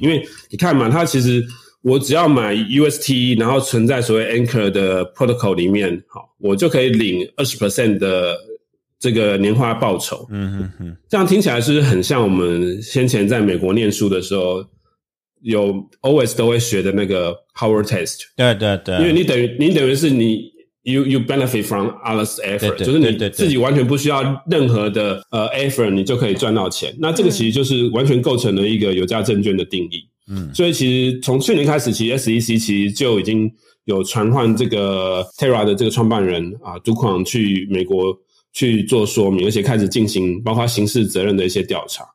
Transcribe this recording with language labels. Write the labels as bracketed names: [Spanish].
[Chinese] 因为你看嘛，他其实我只要买 UST， 然后存在所谓 Anchor 的 protocol 里面，好，我就可以领 20% 的这个年化报酬。嗯哼哼，这样听起来是不是很像我们先前在美国念书的时候有 always 都会学的那个 power test？对对对，因为你等于是你。 [English] You benefit from others' effort， [Chinese] 对对对对对，就是你自己完全不需要任何的effort， 你就可以赚到钱。那这个其实就是完全构成了一个有价证券的定义。嗯，所以其实从去年开始，其实 SEC 其实就已经有传唤这个 Terra 的这个创办人啊，杜狂去美国去做说明，而且开始进行包括刑事责任的一些调查。